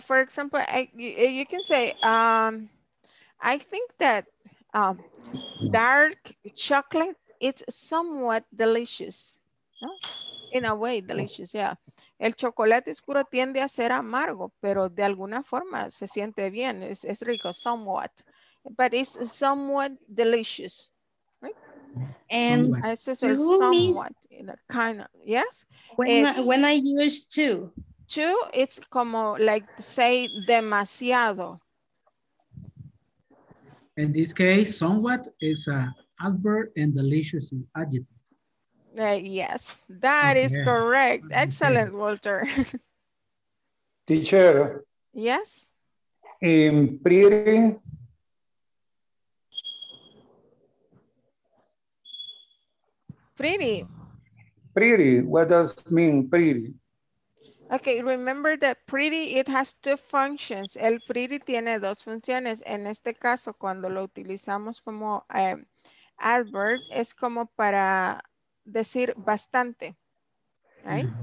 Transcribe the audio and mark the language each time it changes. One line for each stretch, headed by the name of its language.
English: For example, you can say, I think that dark chocolate, it's somewhat delicious, ¿no? In a way delicious, yeah.
Spanish: El chocolate oscuro tiende a ser amargo, pero de alguna forma se siente bien, es rico, somewhat.
English: But it's somewhat delicious, right? And somewhat, in a kind of, yes? When I use two. Two, it's como, like, say, demasiado. In this case, somewhat is a adverb and delicious adjective. Yes, that okay. Is correct. Excellent, okay. Walter. Teacher. Yes. Pretty. Pretty. Pretty. What does it mean, pretty? Okay, remember that pretty, it has two functions.
Spanish: El pretty tiene dos funciones. En este caso, cuando lo utilizamos como adverb es como para decir bastante, right?